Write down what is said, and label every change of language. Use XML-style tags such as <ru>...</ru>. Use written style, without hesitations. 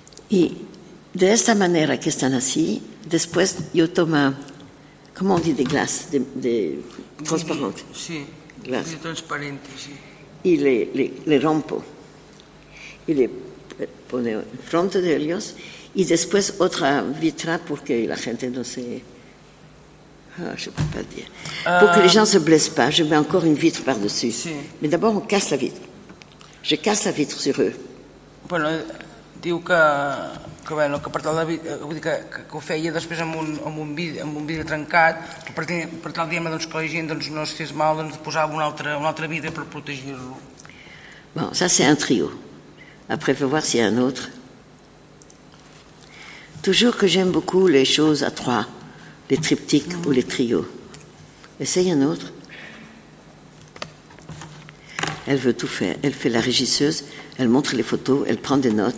<es>Y de esta manera que están así, después yo tomo, ¿cómo se dice? Glass, de transparente. Sí, glass. De transparente, sí. Y le rompo. Y le pone en frente de ellos. Y después otra vitra porque la gente no se...</es> <fr>Je ne peux pas le dire. Pour que les gens ne se blessent pas, je mets encore une vitre par-dessus.</fr> <es>Sí.</es> <fr>Mais d'abord, on casse la vitre. Je casse la vitre sur eux.</fr> <ca>Bueno, diu que, bueno, que per tal de vidre, vull dir que ho feia després amb un vidre trencat, per tal de dir-me que la gent doncs, no es fes mal, doncs, posava un altre vidre per protegir-lo.</ca> <fr>Bon, ça c'est un trio. Après, faut voir s'il y a un autre. Toujours que j'aime beaucoup les choses à trois, les triptyques ou les trios. Essaye un autre. Elle veut tout faire. Elle fait la régisseuse, elle montre les photos, elle prend des notes.</fr>